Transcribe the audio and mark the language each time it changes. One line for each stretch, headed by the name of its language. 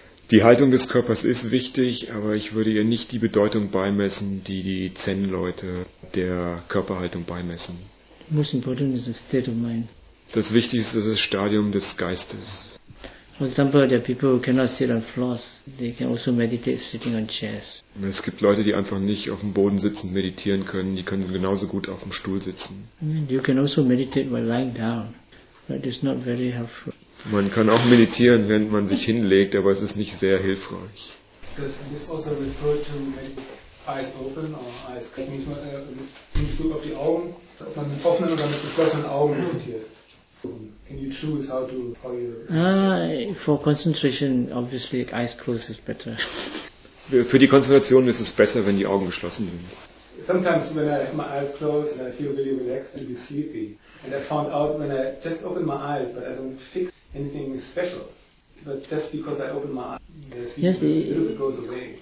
German: Die Haltung des Körpers ist wichtig, aber ich würde ihr nicht die Bedeutung beimessen, die die Zen-Leute der Körperhaltung beimessen.
English: The most important is the state of mind.
German: Das Wichtigste ist das Stadium des Geistes.
English: For example, there are people who cannot sit on floors. They can also meditate sitting on chairs.
German: Es gibt Leute, die einfach nicht auf dem Boden sitzend meditieren können. Die können genauso gut auf dem Stuhl sitzen.
English: You can also meditate while lying down, but it's not very helpful.
German: Man kann auch meditieren, wenn man sich hinlegt, aber es ist nicht sehr hilfreich.
English: Does this also refer to eyes open or eyes closed?
German: In Bezug auf die Augen, ob man mit offenen oder mit geschlossenen Augen meditiert?
English: For concentration, obviously, eyes closed is better.
German: Für die Konzentration ist es besser, wenn die Augen geschlossen sind.
English: Sometimes when I have my eyes closed and I feel really relaxed and really sleepy, and I found out when I just open my eyes, but I don't fix anything special, but just because I open my eyes, the sleepiness goes away.